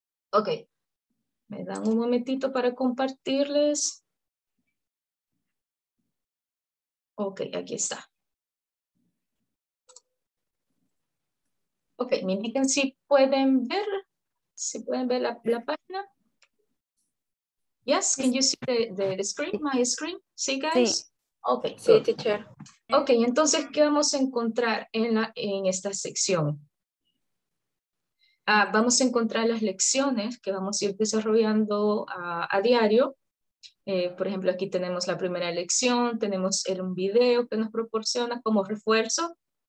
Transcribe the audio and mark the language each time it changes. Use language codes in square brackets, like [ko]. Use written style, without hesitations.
[es] Ok, me dan un momentito para compartirles. Ok, aquí está. Ok, me indican si pueden ver la página. [en] Yes, can you see the screen, my screen? [es] Sí, [en] guys? [es] Sí. Okay. Sí, teacher. Ok, entonces, ¿qué vamos a encontrar en esta sección? Vamos a encontrar las lecciones que vamos a ir desarrollando a diario. Por ejemplo, aquí tenemos la primera lección, tenemos un video que nos proporciona como refuerzo.